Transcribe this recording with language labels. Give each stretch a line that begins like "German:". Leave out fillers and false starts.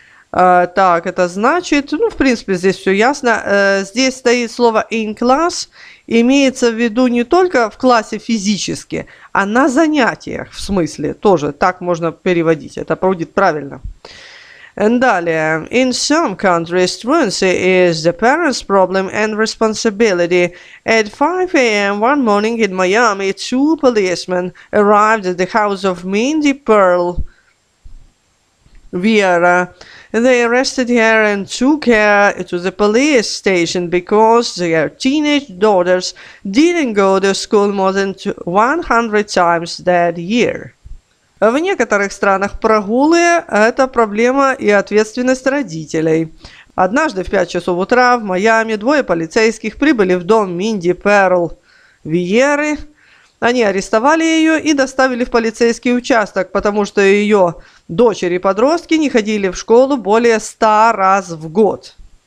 Russian: Так, это значит, ну, в принципе, здесь все ясно. Здесь стоит слово
English: «in class».
Russian: Имеется в виду не только в классе физически, а на занятиях, в смысле, тоже так можно переводить, это будет правильно.
English: And
Russian: далее.
English: In some countries, truancy is the parents' problem and responsibility. At 5 a.m. one morning in Miami, two policemen arrived at the house of Mindy Pearl Vieira. They arrested her and took her to the police station because their teenage daughters didn't go to school more than 100 times that year.
Russian: В некоторых странах прогулы – это проблема и ответственность родителей. Однажды в 5 часов утра в Майами двое полицейских прибыли в дом Минди Перл Виеры. Они арестовали ее и доставили в полицейский участок, потому что ее дочери-подростки не ходили в школу более 100 раз в год.